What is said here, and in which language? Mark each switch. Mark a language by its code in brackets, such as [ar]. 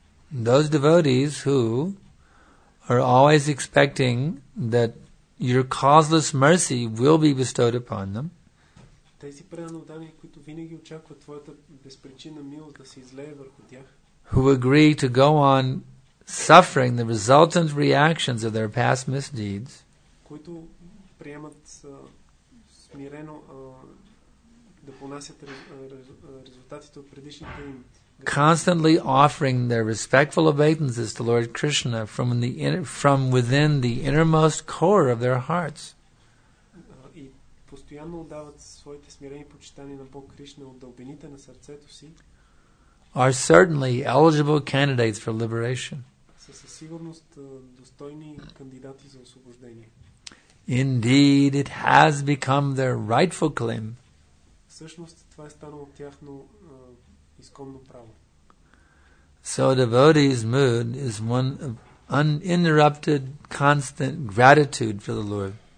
[en] Those devotees who are always expecting that your causeless mercy will be bestowed upon them. [bg] Тези преданодани, които винаги очакват твоята безпричинна милост да се излее върху тях. [en] Who agree to go on suffering the resultant reactions of their past misdeeds. [bg] Които приемат смирено да понасят резултатите от предишните им. [en] Constantly offering their respectful obeisances to Lord Krishna from within the innermost core of their hearts. [bg] Постоянно отдават своите смирени почитания на Бог Кришна от дълбините на сърцето си. [en] Are certainly eligible candidates for liberation. [bg] Са със сигурност достойни кандидати за освобождение. [en] Indeed, it has become their rightful claim. [bg] Всъщност това е станало тяхно изконно право. [en] So a devotee's mood is one of uninterrupted constant gratitude for the Lord.